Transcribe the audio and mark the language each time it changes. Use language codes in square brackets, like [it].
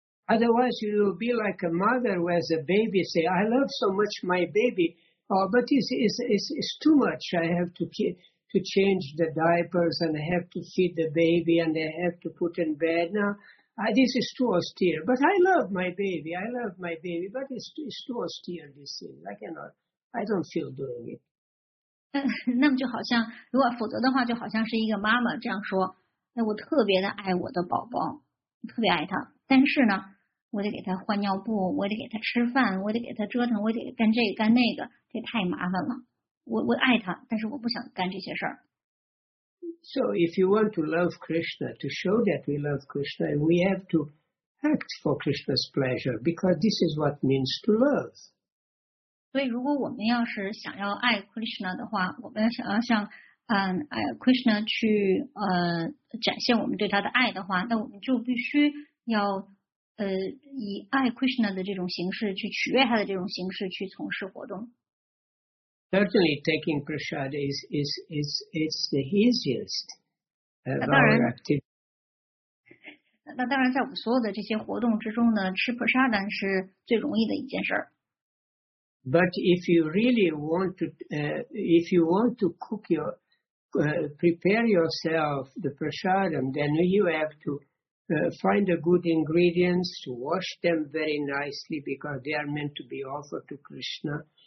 [en] Otherwise, you will be like a mother who has a baby, say, I love so much my baby, oh, but it's too much. I have to change the diapers, and I have to feed the baby, and I have to put in bed. Now, this is too austere, but I love my baby. I love my baby, but it's too austere, this is. I cannot. I don't feel doing it. [zh] 那么就好像，如果否则的话，就好像是一个妈妈这样说：“那我特别的爱我的宝宝，特别爱他。但是呢，我得给他换尿布，我得给他吃饭，我得给他折腾，我得干这个干那个，这太麻烦了。我爱他，但是我不想干这些事儿。” [en] So if you want to love Krishna, to show that we love Krishna, we have to act for Krishna's pleasure because this is what means to love. [zh] 所以如果我们要是想要爱 Krishna 的话我们要想要向、Krishna 去、展现我们对他的爱的话那我们就必须要、以爱 Krishna 的这种形式去取悦他的这种形式去从事活动。 [en] Certainly taking prasad is the easiest of our activity. [zh] 那当然在我们所有的这些活动之中呢吃 prasad 是最容易的一件事。 [en] But if you really want to, if you want to cook your, prepare yourself the prasadam, then you have to, find the good ingredients, to wash them very nicely because they are meant to be offered to Krishna.